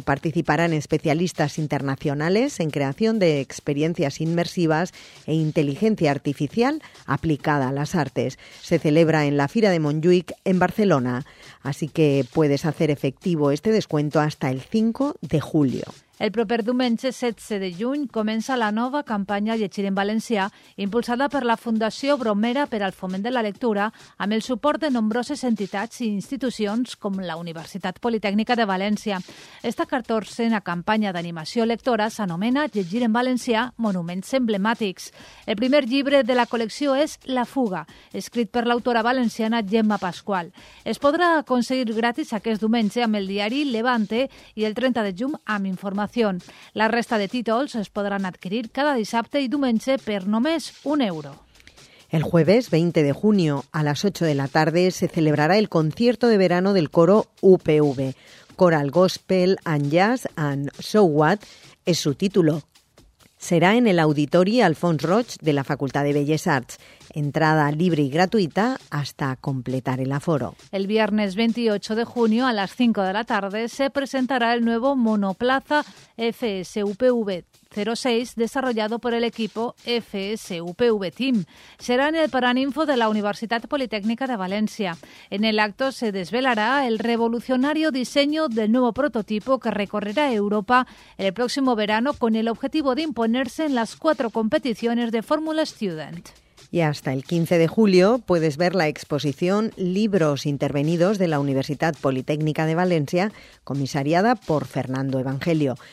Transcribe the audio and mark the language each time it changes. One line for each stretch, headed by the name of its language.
Spanish: Participarán especialistas internacionales en creación de experiencias inmersivas e inteligencia artificial aplicada a las artes. Se celebra en la Fira de Montjuïc en Barcelona. Así que puedes hacer efectivo este descuento hasta el 5 de julio.
Catalan: El proper diumenge 16 de juny comença la nova campanya Llegir en Valencià, impulsada per la Fundació Bromera per al Foment de la Lectura, amb el suport de nombroses entitats i institucions com la Universitat Politècnica de València. Esta 14a campanya d'animació lectora s'anomena Llegir en Valencià, monuments emblemàtics. El primer llibre de la col·lecció és La Fuga, escrit per l'autora valenciana Gemma Pascual. Es podrà aconseguir gratis aquest diumenge amb el diari Levante i el 30 de juny amb informació. La resta de títols es podran adquirir cada dissabte i diumenge per només 1 euro.
Spanish: El jueves 20 de junio a las 8 de la tarde se celebrará el concierto de verano del coro UPV. Coral Gospel and Jazz and So What es su título. Será en el Auditori Alfons Roig de la Facultad de Belles Arts. Entrada libre y gratuita hasta completar el aforo. El viernes 28 de junio a las 5 de la tarde se presentará el nuevo monoplaza FSUPV 06 desarrollado por el equipo FSUPV Team. Será en el Paraninfo de la Universitat Politécnica de València. En el acto se desvelará el revolucionario diseño del nuevo prototipo que recorrerá Europa el próximo verano con el objetivo de imponerse en las cuatro competiciones de Fórmula Student. Y hasta el 15 de julio puedes ver la exposición Libros Intervenidos de la Universitat Politécnica de València, comisariada por Fernando Evangelio.